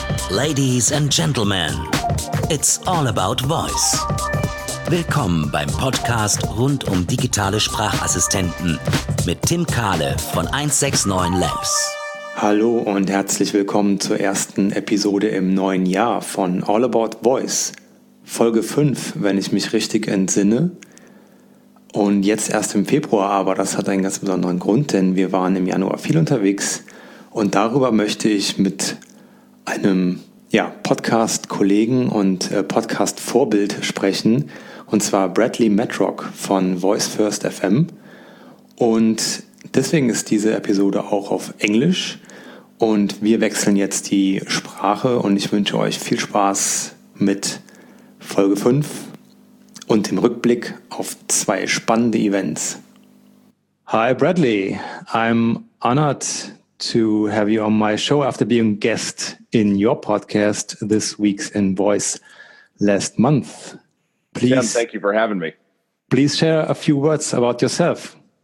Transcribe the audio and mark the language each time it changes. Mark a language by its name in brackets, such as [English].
[English] Ladies and Gentlemen, it's all about voice. [German] Willkommen beim Podcast rund um digitale Sprachassistenten mit Tim Kahle von 169 Labs. Hallo und herzlich willkommen zur ersten Episode im neuen Jahr von All About Voice. Folge 5, wenn ich mich richtig entsinne. Und jetzt erst im Februar, aber das hat einen ganz besonderen Grund, denn wir waren im Januar viel unterwegs. Und darüber möchte ich mit einem Podcast-Kollegen und Podcast-Vorbild sprechen. Und zwar Bradley Matrock von Voice First FM. Und deswegen ist diese Episode auch auf Englisch. Und wir wechseln jetzt die Sprache und ich wünsche euch viel Spaß mit Folge 5 und dem Rückblick auf zwei spannende Events. [English] Hi Bradley, I'm honored to have you on my show after being guest in your podcast this week's in Voice last month. Please, Sam, thank you for having me. Please share a few words about yourself.